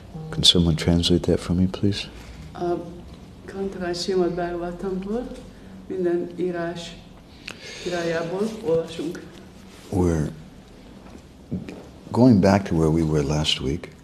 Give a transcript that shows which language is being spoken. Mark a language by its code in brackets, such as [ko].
[en] Can someone translate that for me, please? [hu] Kantara Srimad Bhagavatamból, minden írás királyából olvasunk. [en] We're going back to where we were last week.